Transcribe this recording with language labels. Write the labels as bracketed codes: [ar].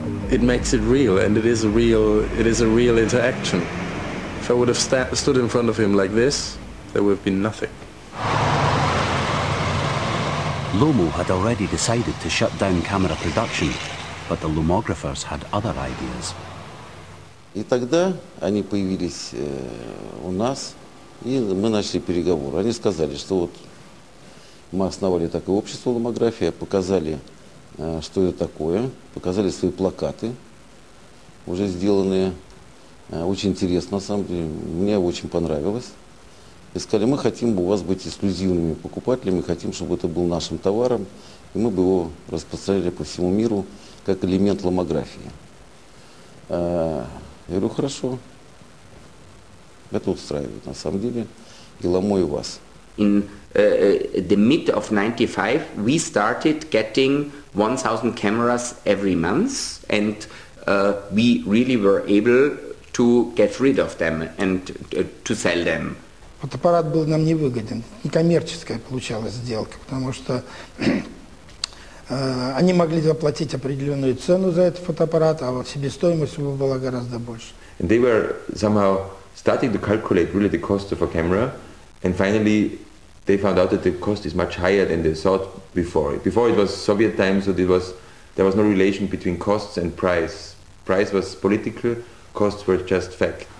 [en] It makes it real, and it is a real interaction. If I would have stood in front of him like this, there would have been nothing. Lomo had already decided to shut down camera production, but the lomographers had other ideas. [ru] И тогда они появились у нас, и мы начали переговоры. Они сказали, что вот мы основали такое общество ломография, показали, что это такое, показали свои плакаты, уже сделанные. Очень интересно, на самом деле, мне очень понравилось. И сказали, мы хотим у вас быть эксклюзивными покупателями, хотим, чтобы это был нашим товаром, и мы бы его распространяли по всему миру как элемент ломографии. Я говорю, хорошо, это устраивает на самом деле, и Ломо, и вас. [en] In the mid of 95 we started getting 1,000 cameras every month, and we really were able to get rid of them and to sell them. [ru] Фотоаппарат был нам невыгоден. Некоммерческая получалась сделка, потому что они могли заплатить определенную цену за этот фотоаппарат, а вот себестоимость его была гораздо больше. [en] And they were somehow starting to calculate really the cost of a camera, and finally they found out that the cost is much higher than they thought before. Before it was Soviet time, so there was no relation between costs and price. Price was political. Costs were just fact.